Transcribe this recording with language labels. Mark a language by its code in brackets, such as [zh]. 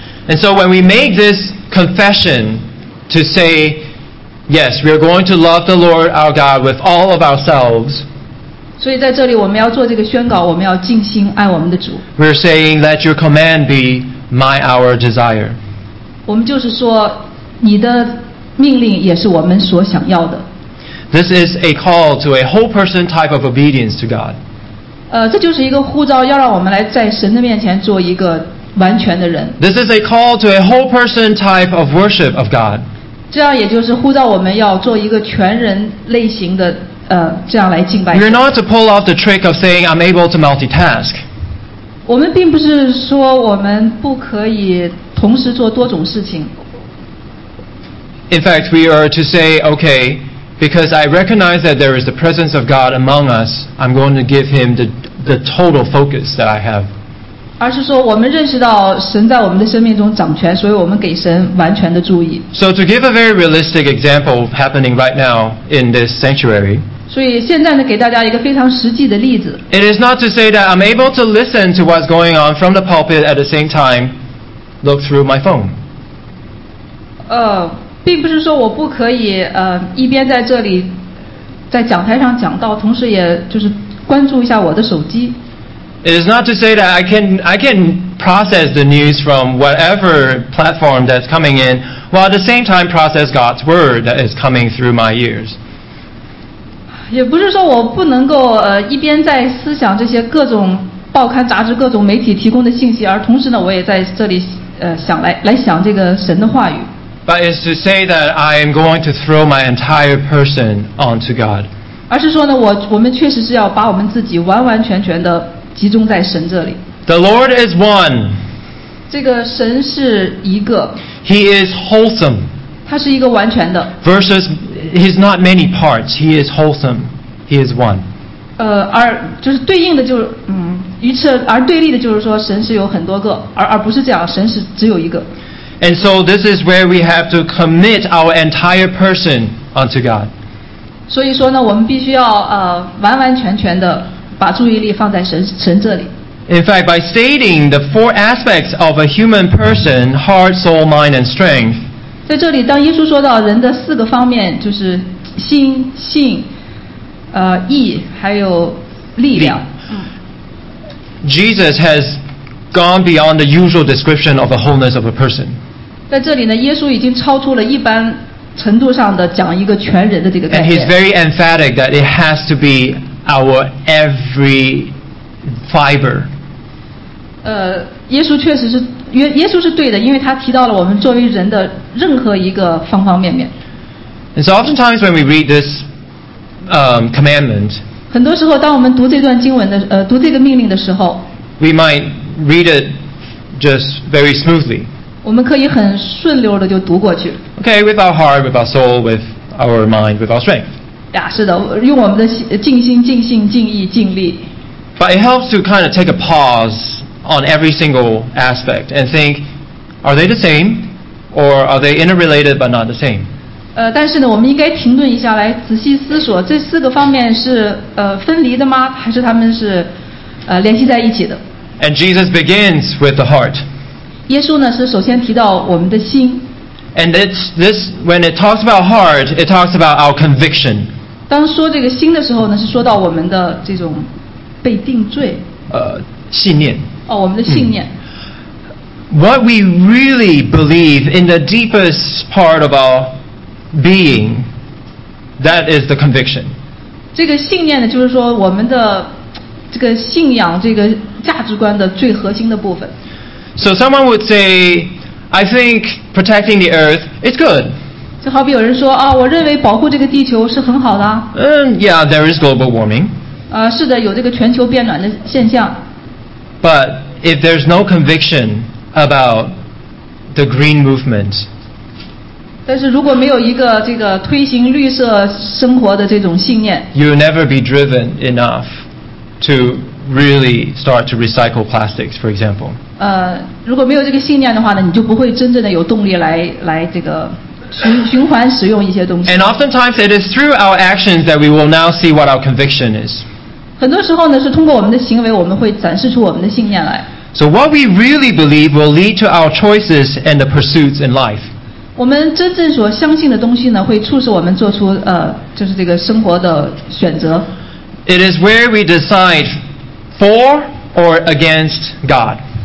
[en] And so when we make this confession to say, yes, we are going to love the Lord our God with all of ourselves. [zh] 所以在这里我们要做这个宣告，我们要尽心爱我们的主。 [en] We are saying, let your command be my our desire. [zh] 我们就是说，你的命令也是我们所想要的。 [en] This is a call to a whole person type of obedience to God. [zh] 这就是一个呼召，要让我们来在神的面前做一个完全的人。 [en] This is a call to a whole person type of worship of God. [zh] 这样也就是呼召我们要做一个全人类型的这样来敬拜。 [en] We're not to pull off the trick of saying I'm able to multitask. [zh] 我们并不是说我们不可以同时做多种事情。 [en] In fact, we are to say, okay, because I recognize that there is the presence of God among us, I'm going to give him the total focus that I have. [zh] 而是说我们认识到神在我们的生命中掌权，所以我们给神完全的注意。 [en] So to give a very realistic example happening right now in this sanctuary, [zh] 所以现在呢，给大家一个非常实际的例子。 [en] It is not to say that I'm able to listen to what's going on from the pulpit at the same time, look through my phone. [zh] 并不是说我不可以一边在这里在讲台上讲道，同时也就是关注一下我的手机。 [en] It is not to say that I can process the news from whatever platform that's coming in, while at the same time process God's word that is coming through my ears. [zh] 也不是说我不能够一边在思想这些各种报刊杂志、各种媒体提供的信息，而同时呢，我也在这里想这个神的话语。 [en] But it's to say that I am going to throw my entire person onto God. [zh] 而是说呢，我们确实是要把我们自己完完全全的集中在神这里。 [en] The Lord is one. [zh] 这个神是一个。 [en] He is wholesome. [zh] 他是一个完全的。 [en] Versus, he's not many parts. He is wholesome. He is one. [zh] 而就是对应的就是与此而对立的就是说神是有很多个，而不是这样，神是只有一个。 [en] And so this is where we have to commit our entire person unto God. [zh] 所以说呢，我们必须要完完全全的把注意力放在神这里。 [en] In fact, by stating the four aspects of a human person, heart, soul, mind, and strength. [zh] 在这里，当耶稣说到人的四个方面，就是心、性、意，还有力量。 [en] Jesus has gone beyond the usual description of the wholeness of a person. [zh] 在这里呢，耶稣已经超出了一般程度上的讲一个全人的这个概念。 [en] And he's very emphatic that it has to be our every fiber. [zh] 耶稣是对的，因为他提到了我们作为人的任何一个方方面面。 [en] And so oftentimes when we read this commandment, [zh] 很多时候当我们读这段经文的读这个命令的时候， [en] we might read it just very smoothly. [zh] 我们可以很顺溜的就读过去。 [en] Okay, with our heart, with our soul, with our mind, with our strength. [zh] 呀，是的，用我们的尽心、尽性、尽意、尽力。 [en] But it helps to kind of take a pause on every single aspect and think, are they the same, or are they interrelated but not the same? [zh] 但是呢，我们应该停顿一下来仔细思索，这四个方面是分离的吗？还是他们是联系在一起的？ [en] And Jesus begins with the heart. [zh] 耶稣呢是首先提到我们的心。 [en] And it's this when it talks about heart, it talks about our conviction. [zh] 当说这个心的时候呢，是说到我们的这种被定罪。信念。我们的信念。 [en] What we really believe in the deepest part of our being, that is the conviction. [zh] 这个信念呢，就是说我们的这个信仰这个价值观的最核心的部分。 [en] So someone would say, I think protecting the earth is good. [zh] 就好比有人说我认为保护这个地球是很好的。 [en] Yeah, there is global warming. [zh] 是的，有这个全球变暖的现象。 [en] But if there's no conviction about the green movement, [zh] 但是如果没有一个这个推行绿色生活的这种信念， [en] you'll never be driven enough to really start to recycle plastics, for example. [zh] 如果没有这个信念的话呢，你就不会真正的有动力来这个循环使用一些东西。 [en] And oftentimes it is through our actions that we will now see what our conviction is. [zh] 很多时候呢，是通过我们的行为，我们会展示出我们的信念来。 [en] So what we really believe will lead to our choices and the pursuits in life. [zh] 我们真正所相信的东西呢，会促使我们做出就是这个生活的选择。 [en] It is where we decide for or against God.